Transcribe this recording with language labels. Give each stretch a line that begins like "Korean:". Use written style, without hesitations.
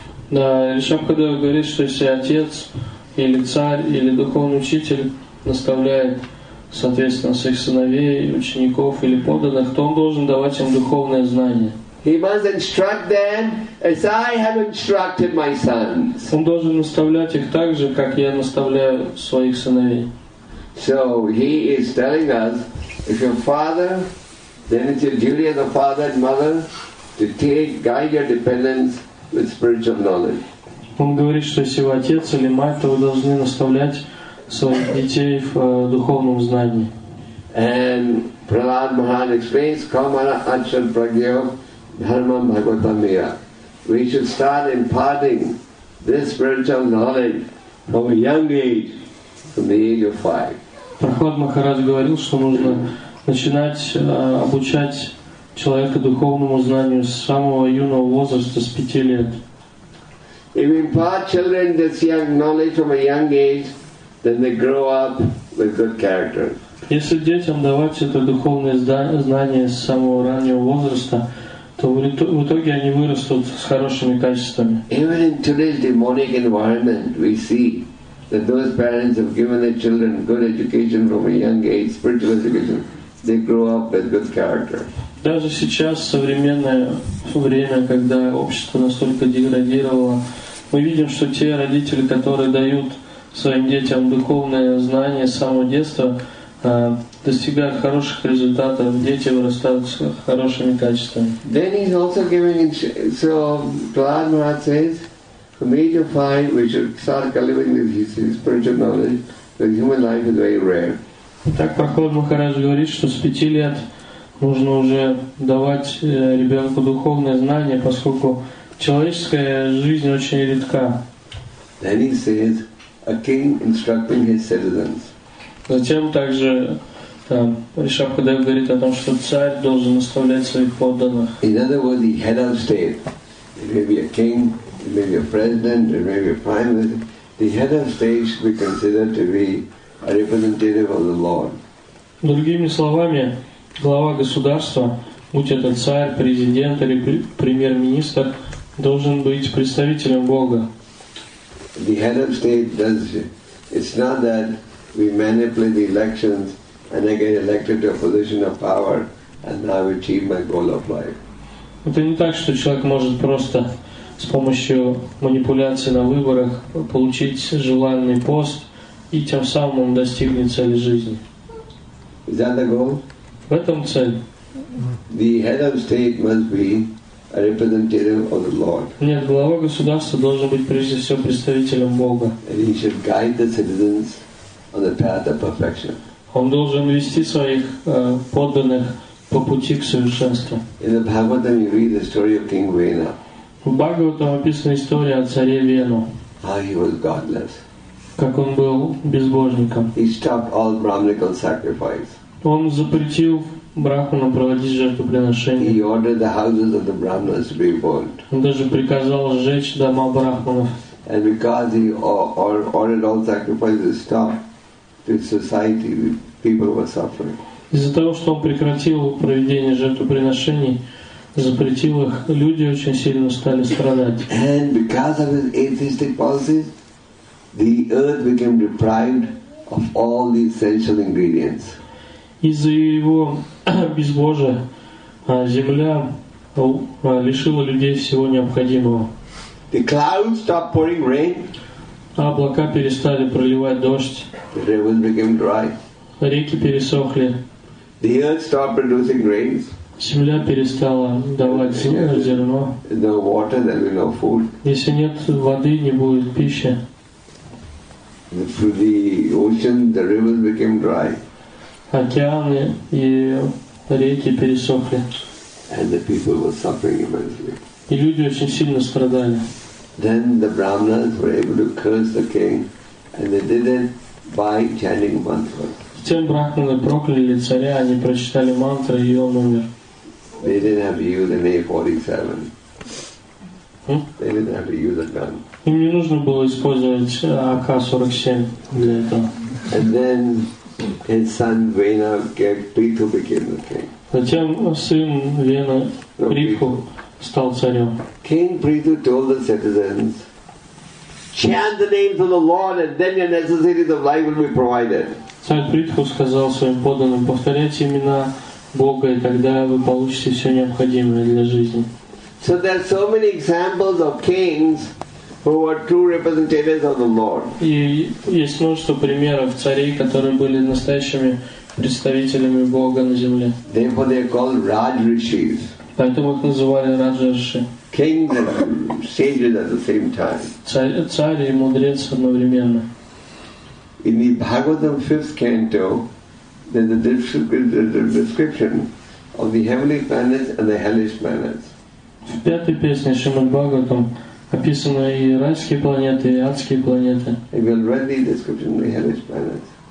Russian: Да, Ришабхадев говорит, что если отец или царь или духовный учитель наставляет, соответственно, своих сыновей, учеников или подданных, то он должен давать им духовное знание.
English: He must instruct them as I have instructed my sons.
Russian: Он должен наставлять их так же, как я наставляю своих сыновей.
English: So he is telling us, if you're a father, then it's your duty as a father and mother to guide your dependents with spiritual knowledge.
Russian: Он говорит, что если вы отец или мать, то вы должны наставлять своих детей в духовном знании.
English: And Prahlad Mahan explains,
Sanskrit: Kamala Anshan Pragyo, Dharma Bhagavatamya.
English: We should start imparting this spiritual knowledge from a young age, from the age of 5.
Russian: Прохлад Махарадж говорил, что нужно начинать обучать человека духовному знанию с самого юного возраста, с 5 лет.
English: If we impart children this young knowledge from a young age, then they grow up with good character.
Russian: Если детям давать это духовное знание с самого раннего возраста, то в итоге они вырастут с хорошими качествами.
English: Even in today's demonic environment, we see that those parents have given their children good education from a young age, spiritual education, they grow up with good character.
Russian: Даже сейчас, в современное время, когда общество настолько деградировало, мы видим, что те родители, которые дают своим детям духовное знание с самого детства, достигают хороших результатов, дети вырастают с хорошими качествами.
English: Then he's also giving, so Prahlad Maharaj says, from age of 5 we should start cultivating this spiritual knowledge, because human life is very rare.
Russian: Итак, Прохлад Махарадж говорит, что с 5 лет нужно уже давать ребенку духовное знание, поскольку человеческая жизнь очень редка.
English: Then he says, a king instructing his citizens.
Russian: Затем также Ришабхадев говорит о том, что царь должен наставлять своих подданных.
English: In other words, the head of state, it may be a king, it may be a president, it may be a prime minister, the head of state should be considered to be a representative of the Lord.
Russian: Другими словами, глава государства, будь это царь, президент или премьер-министр, должен быть представителем Бога.
English: The head of state does, it's not that we manipulate the elections and I get elected to a position of power and now I've achieved my goal of life.
Russian: Это не так, что человек может просто с помощью манипуляций на выборах получить желанный пост и тем самым он достигнет цели жизни.
English: Is that the goal?
Russian: В этом цель.
English: The head of state must be a representative of the Lord.
Russian: Нет, глава государства должен быть прежде всего представителем Бога.
English: And he should guide the citizens on the path of perfection.
Russian: Он должен вести своих подданных по пути к совершенству.
English: In the Bhagavatam you read the story of King Vena.
Russian: В Бхагаватам описана история о царе Вену.
English: How he was godless.
Russian: Как он был безбожником.
English: He stopped all brahminical sacrifice.
Russian: Он запретил брахманам проводить жертвоприношения.
English: He ordered the houses of the brahmanas to be burnt.
Russian: Он даже приказал сжечь дома брахманов.
English: And because he ordered all sacrifices to stop, the society, the people were suffering.
Russian: Из-за того, что он прекратил проведение жертвоприношений, запретил их, люди очень сильно стали страдать.
English: And because of his atheistic policies, the earth became deprived of all the essential ingredients.
Russian: Из-за его безбожия земля лишила людей всего необходимого.
English: The clouds stopped pouring rain.
Russian: Облака перестали проливать дождь.
English: The rivers became dry.
Russian: Реки пересохли.
English: The earth stopped producing grains.
Russian: Земля перестала давать зерно.
English: No water, then there's no food.
Russian: Если нет воды, не будет пищи.
English: Through the ocean, the rivers became dry.
Russian: Океаны и реки пересохли.
English: And the people were suffering immensely.
Russian: И люди очень сильно страдали.
English: Then the brahmanas were able to curse the king, and they did it by chanting mantras.
Russian: Затем брахманы прокляли царя, они прочитали мантры, и он умер.
English: They didn't have to use an AK-47. They didn't have to use a gun.
Russian: Им не нужно было использовать АК-47 для этого.
English: And then his son Vena Prithu became the king.
Russian: Затем сын Вена Прихо стал царем.
English: King Prithu told the citizens, "Chant the names of the Lord, and then your necessities of life will be provided."
Russian: Царь Прихо сказал своим подданным, повторяйте имена Бога, и тогда вы получите все необходимое для жизни.
English: So there are so many examples of kings who were true representatives of the Lord.
Russian: И есть множество примеров царей, которые были настоящими представителями Бога на земле.
English: Therefore, they are called Raj Rishis.
Russian: Поэтому их называли Раджарши.
English: Kings and sages at the same time.
Russian: Царь и мудрец одновременно.
English: In the Bhagavatam 5th canto, there's a description of the heavenly planets and the hellish planets.
Russian: В пятой песне Шримад Бхагаватам описаны и райские планеты, и адские планеты.
English: If you read the description of the hellish planets.